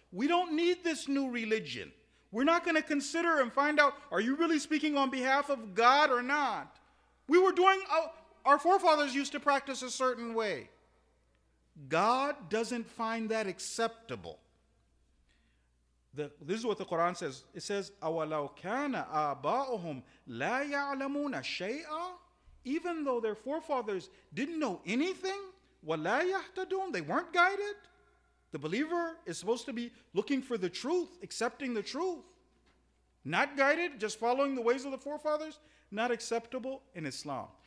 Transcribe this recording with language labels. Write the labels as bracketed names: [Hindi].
[English] We don't need this new religion. We're not going to consider and find out, are you really speaking on behalf of God or not? We were doing, our forefathers used to practice a certain way. God doesn't find that acceptable. This is what the Quran says. It says, [Arabic] أَوَلَوْ كَانَ آبَاؤُهُمْ لَا يَعْلَمُونَ شَيْئًا. [English] Even though their forefathers didn't know anything, [Arabic] وَلَا يَحْتَدُونَ, [English] they weren't guided. The believer is supposed to be looking for the truth, accepting the truth. Not guided, just following the ways of the forefathers, not acceptable in Islam.